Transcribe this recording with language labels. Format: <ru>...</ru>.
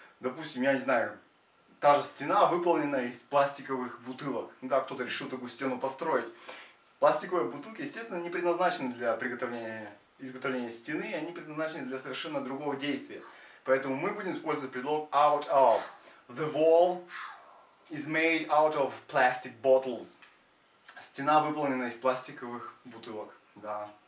<ru>Допустим, я не знаю, та же стена выполнена из пластиковых бутылок. Да, кто-то решил такую стену построить. Пластиковые бутылки, естественно, не предназначены для изготовления стены, они предназначены для совершенно другого действия. Поэтому мы будем использовать предлог out of.</ru> <en>The wall is made out of plastic bottles.</en> <ru>Стена выполнена из пластиковых бутылок, да.</ru>